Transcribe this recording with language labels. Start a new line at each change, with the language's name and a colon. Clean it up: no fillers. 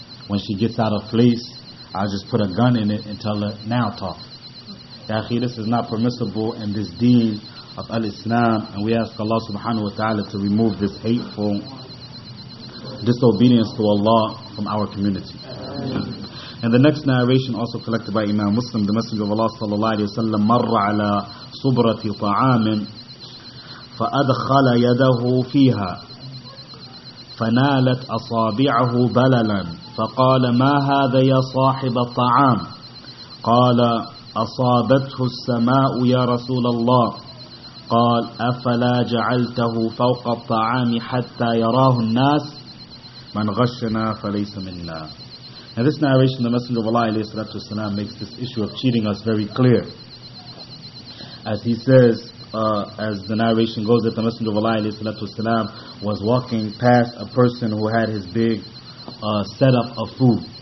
English: When she gets out of place, I'll just put a gun in it and tell her, now talk. Yaqi, this is not permissible in this deen of Al-Islam, and we ask Allah subhanahu wa ta'ala to remove this hateful disobedience to Allah from our community. And the next narration also collected by Imam Muslim, the Messenger of Allah sallallahu alayhi wa sallam,
Arabic: marra ala subrati ta'amin فأدخل يده فيها فنالت أصابعه بللا فقال ما هذا يا صاحب الطعام قال أصابته السماء يا رسول الله قال أفلا جعلته فوق الطعام حتى يراه الناس من غشنا فليس منا.
English: Now this narration, the Messenger of Allah عليه الصلاة والسلام, makes this issue of cheating us very clear, as he says, as the narration goes, that the Messenger of Allah والسلام, was walking past a person who had his big setup of food.